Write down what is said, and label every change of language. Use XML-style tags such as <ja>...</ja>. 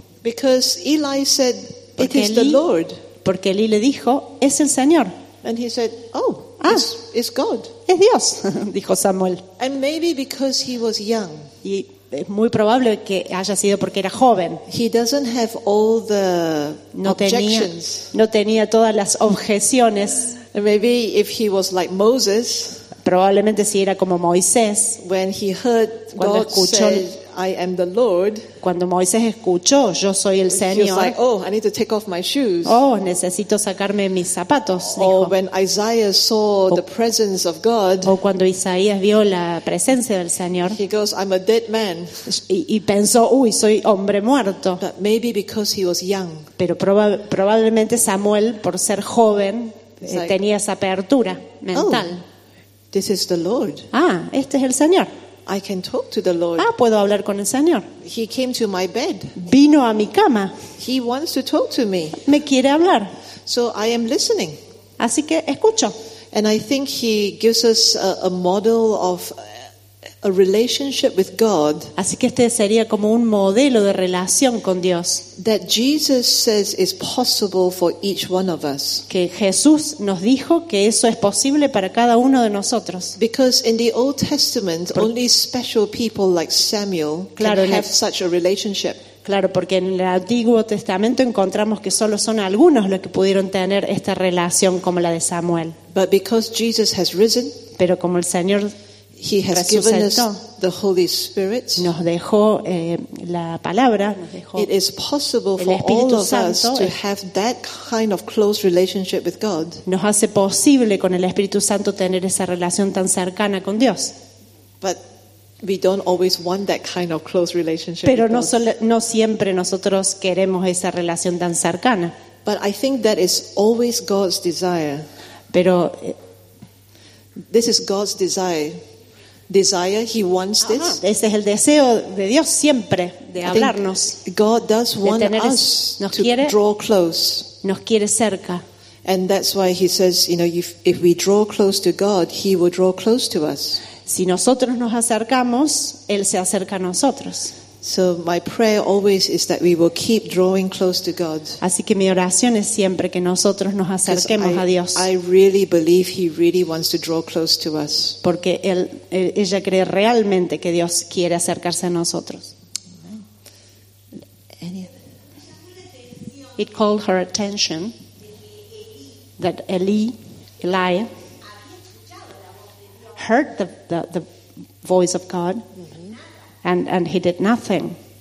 <en>Because Eli said, "It is the Lord."</en> <es>Porque Eli le dijo, "Es el Señor."</es> <en>And he said, "Oh, it's God."</en> <es>Es Dios, dijo Samuel.</es> <en>And maybe because he was young.</en> <es>Y es muy probable que haya sido porque era joven.</es> <en>He doesn't have all the objections.</en> <es>No tenía todas las objeciones.</es> <en>And maybe if he was like Moses.</en> <es>Probablemente si era como Moisés,</es> <en>when he heard God</en> <es>escuchó,</es> <en>said, "I am the Lord."</en> <es>Cuando Moisés escuchó, "Yo soy el Señor."</es> <en>He was like, "Oh, I need to take off my shoes."</en> <es>Oh, necesito sacarme mis zapatos. Dijo.</es> <en>Or when Isaiah saw the presence of God.</en> <es>O cuando Isaías vio la presencia del Señor.</es> <en>He goes, "I'm a dead man."</en> <es>Y pensó, "Uy, soy hombre muerto."</es> <en>But maybe because he was young.</en> <es>Pero probablemente Samuel, por ser joven, tenía esa apertura mental.</es> <en>Oh. This is the Lord.</en> <es>Ah, este es el Señor.</es> <en>I can talk to the Lord.</en> <es>Ah, puedo hablar con el Señor.</es> <en>He came to my bed.</en> <es>Vino a mi cama.</es> <en>He wants to talk to me.</en> <es>Me quiere hablar.</es> <en>So I am listening.</en> <es>Así que escucho.</es> <en>And I think he gives us a model of a relationship with God.</en> <es>Así que este sería como un modelo de relación con Dios.</es> <en>That Jesus says is possible for each one of us.</en> <es>Que Jesús nos dijo que eso es posible para cada uno de nosotros.</es> <en>Because in the Old Testament, only special people like Samuel can have such a relationship.</en> <es>Claro, porque en el Antiguo Testamento encontramos que solo son algunos los que pudieron tener esta relación como la de Samuel.</es> <en>But because Jesus has risen,</en> <es>pero como el Señor</es> <en>He has given us the Holy Spirit.</en> <es>Nos dejó la palabra.</es> <en>It is possible for all of us to have that kind of close relationship with God.</en> <es>Nos hace posible con el Espíritu Santo tener esa relación tan cercana con Dios.</es> <en>But we don't always want that kind of close relationship.</en> <es>Pero no siempre nosotros queremos esa relación tan cercana.</es> <en>But I think that is always God's desire.</en> <es>Pero</es> <en>this is God's desire. Desire, he wants this.</en> <es>Ajá, ese es el deseo de Dios siempre de hablarnos.</es> <en>God does want us to draw close.</en> <es>Nos quiere cerca.</es> <en>And that's why he says, you know, if we draw close to God, he will draw close to us.</en> <es>Si nosotros nos acercamos, él se acerca a nosotros.</es> <en>So my prayer always is that we will keep drawing close to God.</en> <es>Así que mi oración es siempre que nosotros nos acerquemos a Dios.</es> <en>I really believe he really wants to draw close to us.</en> <es>Porque ella cree realmente que Dios quiere acercarse a nosotros.</es> <en>It called her attention that Eli heard the voice of God. And he did nothing.</en>